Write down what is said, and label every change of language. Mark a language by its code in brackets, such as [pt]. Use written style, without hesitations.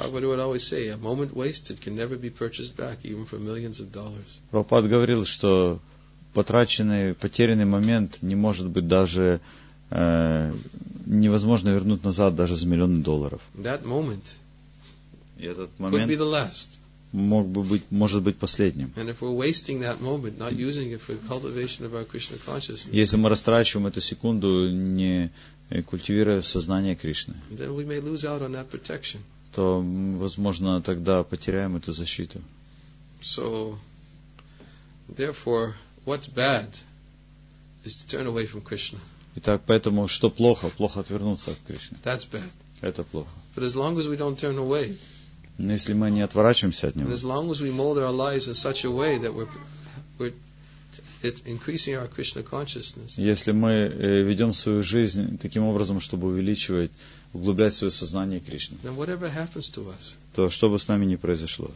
[en] Prabhupada would always say, a moment wasted can never be purchased back, even for millions of dollars. [ru] Прабхупад говорил, что потерянный момент не может быть даже невозможно вернуть назад даже за миллион долларов. [en] That moment. [ru] И этот момент [en] could be the last. [ru] Мог бы быть, может быть последним. [en] And if we're wasting that moment, not using it for the cultivation of our Krishna consciousness. [ru] Если мы растрачиваем эту секунду, не культивируя сознание Кришны, [en] then we may lose out on that protection. [ru] То, возможно, тогда потеряем эту защиту. [en] So, therefore, what's bad is to turn away from Krishna. [ru] Итак, поэтому что плохо? Плохо отвернуться от Кришны. [en] That's bad. [ru] Это плохо. [en] But as long as we don't turn away. [ru] Но если мы не отворачиваемся от него. [en] As long as we mold our lives in such a way that we're increasing our Krishna consciousness. [ru] Если мы ведем свою жизнь таким образом, чтобы углублять свое сознание Кришны. [en] Then whatever happens to us. [ru] То, что бы с нами ни произошло.